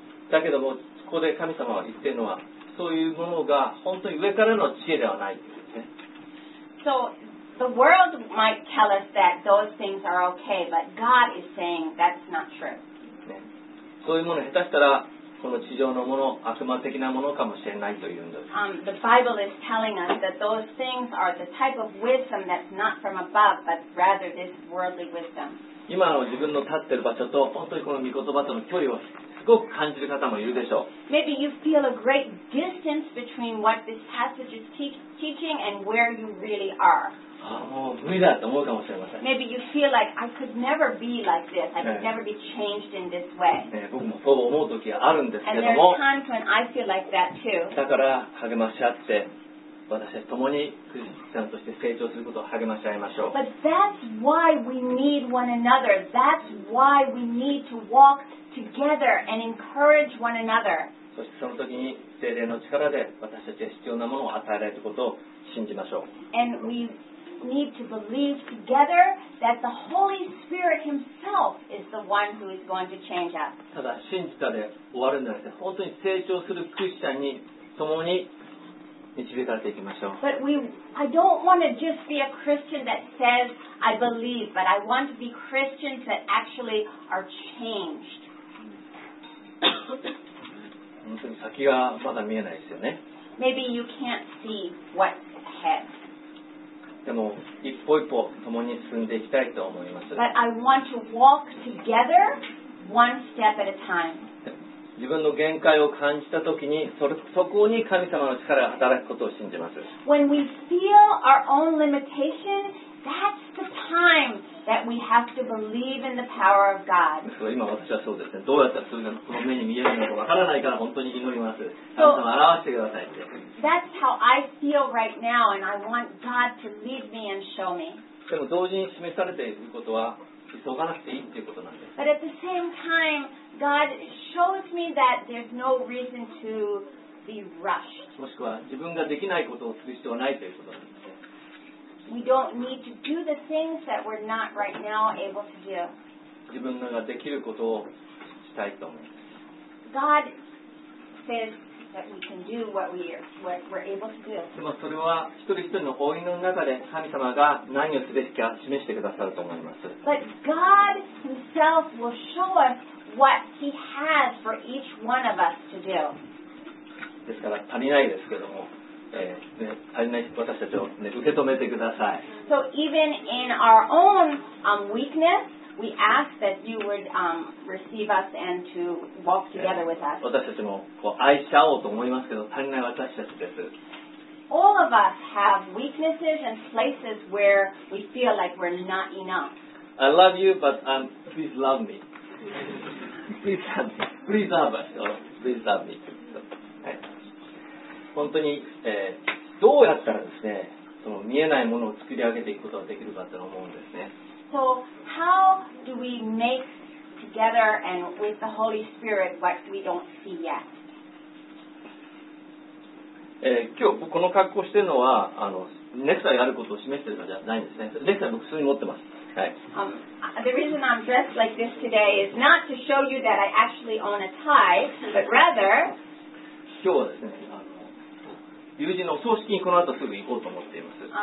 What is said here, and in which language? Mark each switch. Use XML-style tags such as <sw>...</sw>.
<ja>だけども、ここで神様は言っているのは、そういうものが本当に上からの知恵ではないんですね。</ja> <en>So, the world might tell us that those things are okay, but God is saying that's not true.</en> <ja>そういうもの下手したら、この地上のもの、悪魔的なものかもしれないというんです。</ja> <en>The Bible is telling us that those things are the type of wisdom that's not from above, but rather this worldly wisdom.</en> <ja>今の自分の立っている場所と、本当にこの御言葉との距離をすごく感じる方もいるでしょう。</ja> <en>Maybe you feel a great distance between what this passage is teaching and where you really are.</en> <ja>もう無理だと思うかもしれません。</ja> <en>Maybe you feel like, I could never be like this. I could never be changed in this way.</en> <ja>僕もそう思う時があるんですけども。</ja> <en>And there are times when I feel like that too.</en> <ja>だから励まし合って、私たち共にクリスチャンとして成長することを励まし合いましょう。</ja> <en>But that's why we need one another. That's why we need to walk together and encourage one another.</en> <ja>そしてその時に聖霊の力で私たちに必要なものを与えられることを信じましょう。</ja> <en>And we need to believe together that the Holy Spirit Himself is the one who is going to change us.</en> <ja>ただ信じたで終わるんじゃなくて、本当に成長するクリスチャンに共に導かれていきましょう。</ja> <en>But I don't want to just be a Christian that says I believe, but I want to be Christians that actually are changed.</en> <ja>本当に先がまだ見えないですよね。</ja> <en>Maybe you can't see what's ahead.</en> <ja>でも一歩一歩共に進んでいきたいと思います。</ja> <en>But I want to walk together one step at a time.</en> <ja>自分の限界を感じたときに、そこに神様の力が働くことを信じます。</ja> <en>When we feel our own limitation, that's the time that we have to believe in the power of God.</en> <ja>今私はそうですね。どうやったらそれがこの目に見えるのかわからないから本当に祈ります。神様、表してくださいって。</ja> <en>That's how I feel right now, and I want God to lead me and show me.</en> <ja>でも同時に示されていることは、急がなくていいっていうことなんです。</ja> <en>But at the same time, God shows me that there's no reason to be rushed.</en> <ja>もしくは自分ができないことをする必要はないということなんです。</ja> <en>We don't need to do the things that we're not right now able to do.</en> <ja>自分ができることをしたいと思います。</ja> <en>God says that we can do what we're able to do.</en> <ja>でもそれは一人一人の応援の中で神様が何をすべきか示してくださると思います。</ja> <en>But God Himself will show us what He has for each one of us to do.</en> <ja>ですから足りないですけども。私たちを、ね、受け止めてください。</ja> <en>So even in our own weakness, we ask that you would receive us and to walk together with us.</en> <ja>私たちもこう愛し合おうと思いますけど、足りない私たちです。</ja> <en>all of us have weaknesses and places where we feel like we're not enough. I love you, but please love me. Please love me. Please love us. Please love me.</en> <ja>本当に、どうやったらですね、その見えないものを作り上げていくことができるかと思うんですね。</ja> <en>So how do we make together and with the Holy Spirit what we don't see yet?</en> <ja>今日この格好してるのはネクタイがあることを示してるかじゃないんですね。ネクタイ僕普通に持ってます。はい。</ja> <en>The reason I'm dressed like this today is not to show you that I actually own a tie, but rather</en> <ja>今日はですね、友人の葬式にこの後すぐ行こうと思っています。</ja>